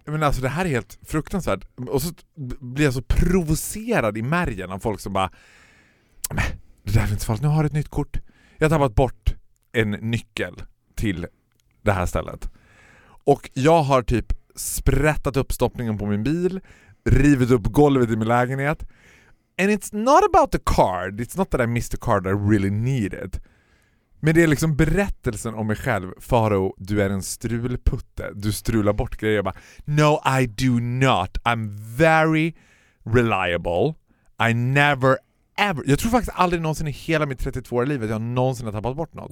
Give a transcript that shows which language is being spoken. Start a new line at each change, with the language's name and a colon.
Swedish: Men alltså, det här är helt fruktansvärt. Och så blir jag så provocerad i märgen av folk som bara, men det där är inte fallet, nu har du ett nytt kort. Jag har tappat bort en nyckel till det här stället. Och jag har typ sprättat upp stoppningen på min bil, rivit upp golvet i min lägenhet.
English: And it's not about the card. It's not that I missed the card I really needed.
Swedish: Men det är liksom berättelsen om mig själv. Faro, du är en strulputte. Du strular bort grejer. Jag bara,
English: no, I do not. I'm very reliable. I never ever.
Swedish: Jag tror faktiskt aldrig någonsin i hela mitt 32-åriga liv att jag någonsin har tappat bort något.